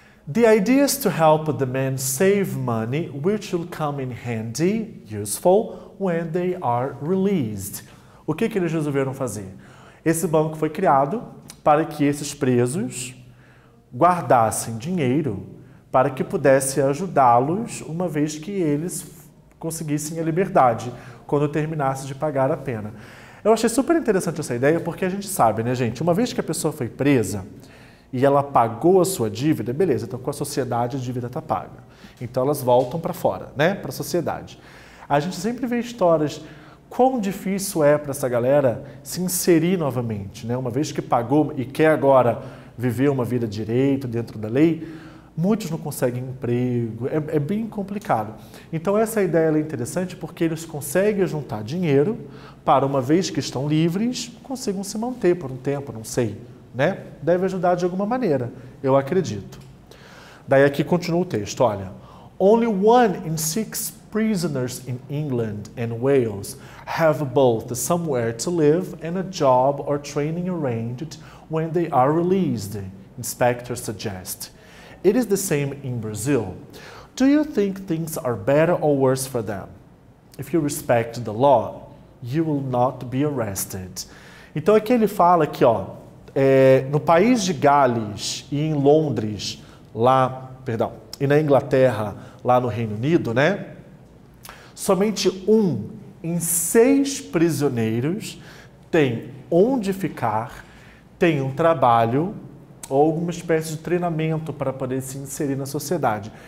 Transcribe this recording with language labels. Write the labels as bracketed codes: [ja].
[en] The idea is to help the men save money, which will come in handy, useful, when they are released. [pt] O que que eles resolveram fazer? Esse banco foi criado para que esses presos guardassem dinheiro para que pudesse ajudá-los uma vez que eles conseguissem a liberdade, quando terminasse de pagar a pena. Eu achei super interessante essa ideia porque a gente sabe, né, gente? Uma vez que a pessoa foi presa e ela pagou a sua dívida, beleza, então com a sociedade a dívida está paga. Então elas voltam para fora, né? Para a sociedade. A gente sempre vê histórias quão difícil é para essa galera se inserir novamente, né? Uma vez que pagou e quer agora viver uma vida direito dentro da lei. Muitos não conseguem emprego, é bem complicado. Então, essa ideia ela é interessante porque eles conseguem juntar dinheiro para, uma vez que estão livres, consigam se manter por um tempo, não sei, né? Deve ajudar de alguma maneira, eu acredito. Daí aqui continua o texto, olha. [en] Only one in six prisoners in England and Wales have both somewhere to live and a job or training arranged when they are released, inspectors suggest. It is the same in Brazil. Do you think things are better or worse for them? If you respect the law, you will not be arrested. [pt] Então aqui ele fala que, ó, no país de Gales e em Londres, lá, perdão, e na Inglaterra, lá no Reino Unido, né? Somente um em seis prisioneiros tem onde ficar, tem um trabalho ou alguma espécie de treinamento para poder se inserir na sociedade.